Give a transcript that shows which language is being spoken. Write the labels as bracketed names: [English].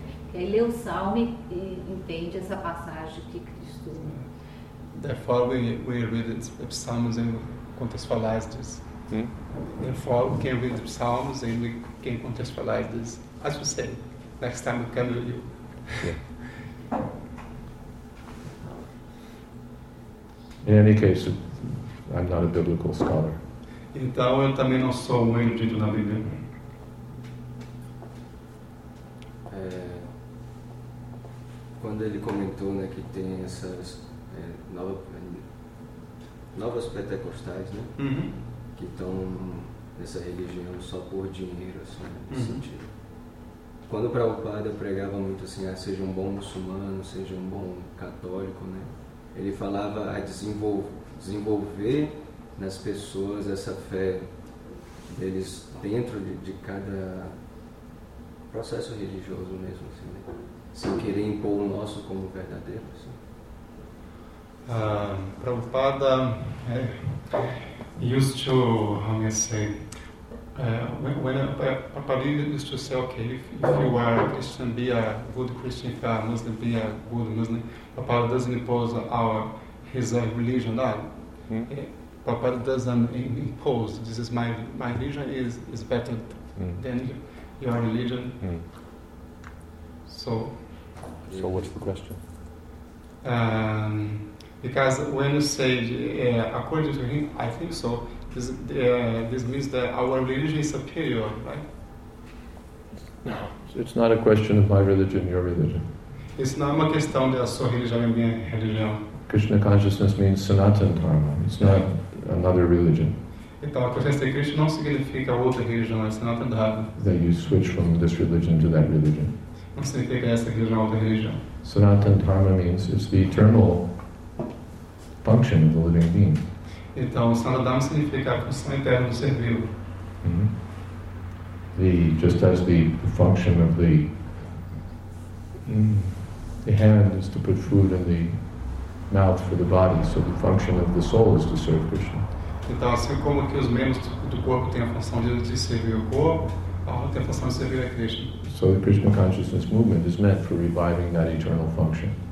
[Portuguese] Quem lê o Salmo entende essa passagem que Cristo... [English] Therefore, we read the Psalms and contextualize this. Therefore, we can read the Psalms and we can contextualize this. As you said, next time we come with you. In any case, I'm not a biblical scholar. [Portuguese] Então eu também não sou um erudito na Bíblia. Quando ele comentou, né, que tem essas novas pentecostais, né, que estão nessa religião só por dinheiro, assim, nesse sentido. Quando o Prabhupada pregava muito assim, seja um bom muçulmano, seja um bom católico, né? Ele falava a desenvolver nas pessoas essa fé deles dentro de cada processo religioso mesmo, assim, né? Sem querer impor o nosso como verdadeiro. Assim. [English] Prabhupada used to, how can I say, when Prabhupada used to say, okay, if you are a Christian, be a good Christian, if you are a Muslim, be a good Muslim. Prabhupada doesn't impose his religion. No. Prabhupada doesn't impose. This is my religion is better than your religion. So what's the question? Because when you say according to him, I think so. This means that our religion is superior, right? No, it's not a question of my religion, your religion. It's not a question of your religion and my religion. Krishna consciousness means Sanatana Dharma. It's not another religion. [Portuguese] Então, a consciência de Krishna não significa outra religião, é Sanatana Dharma. [English] That you switch from this religion to that religion. [Portuguese] Não significa essa religião ou outra religião. [English] Sanatana Dharma means it's the eternal function of the living being. [Portuguese] Então, Sanatana Dharma significa a função eterna do ser vivo. [English] Just as the function of the hand is to put food in the mouth for the body, so the function of the soul is to serve Krishna. [Portuguese] Então, assim como que os membros do corpo têm a função de servir o corpo, a alma tem a função de servir a Krishna. [English] So the Krishna consciousness movement is meant for reviving that eternal function.